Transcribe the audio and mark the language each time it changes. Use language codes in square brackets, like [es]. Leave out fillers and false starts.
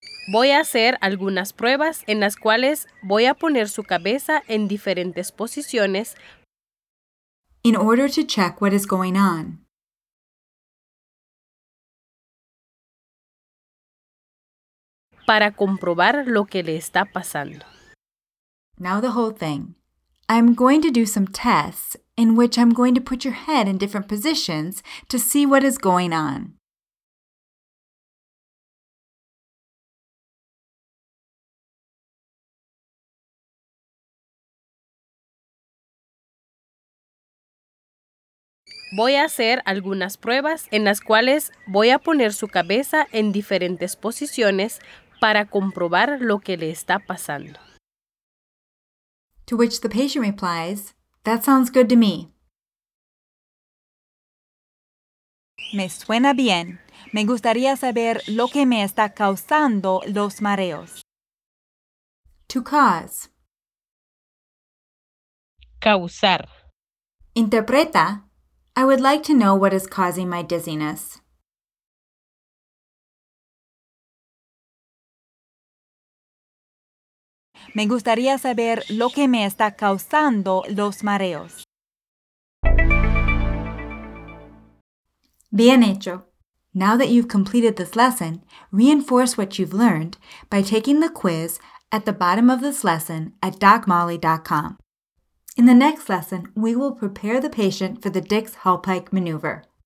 [es] Voy a hacer algunas pruebas en las cuales voy a poner su cabeza en diferentes posiciones. [en] In order to check what is going on. [es] Para comprobar lo que le está pasando. [en] Now the whole thing. I'm going to do some tests in which I'm going to put your head in different positions to see what is going on. [es] Voy a hacer algunas pruebas en las cuales voy a poner su cabeza en diferentes posiciones para comprobar lo que le está pasando. [en] To which the patient replies, "That sounds good to me." [es] Me suena bien. Me gustaría saber lo que me está causando los mareos. [en] To cause. [es] Causar. Interpreta. [en] I would like to know what is causing my dizziness. [es] Me gustaría saber lo que me está causando los mareos. Bien hecho. [en] Now that you've completed this lesson, reinforce what you've learned by taking the quiz at the bottom of this lesson at DocMolly.com. In the next lesson, we will prepare the patient for the Dix-Hallpike maneuver.